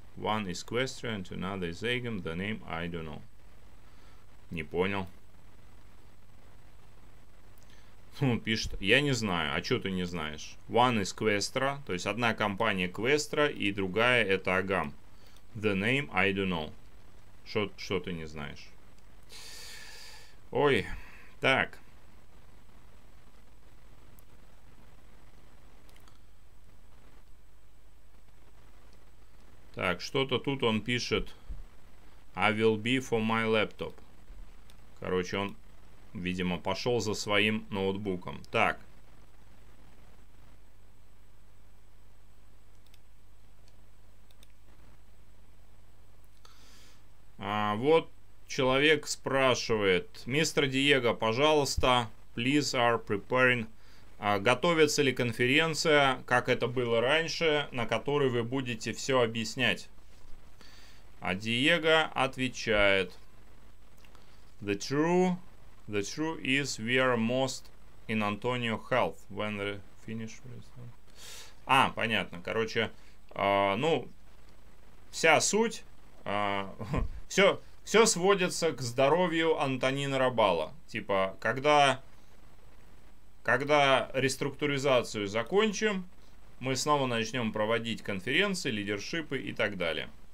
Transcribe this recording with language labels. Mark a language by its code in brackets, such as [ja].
[en] One is Questra and another is Agam, the name I don't know. [ru] Не понял. Он пишет, я не знаю, а что ты не знаешь? [en] One is Questra, [ru] то есть одна компания Questra и другая это Agam. [en] The name I don't know. [ru] Что ты не знаешь? Ой, так. Так, что-то тут он пишет. [en] I will be for my laptop. [ru] Короче, он, видимо, пошел за своим ноутбуком. Так. А вот человек спрашивает. Мистер Диего, пожалуйста, [en] please are preparing. [ru] Готовится ли конференция, как это было раньше, на которой вы будете все объяснять? А Диего отвечает. [en] The true is we are most in Antonio Health. When the finish is done. [ru] А, понятно. Короче, ну, вся суть, все сводится к здоровью Антонина Рабала. Типа, когда реструктуризацию закончим, мы снова начнем проводить конференции, лидершипы и так далее.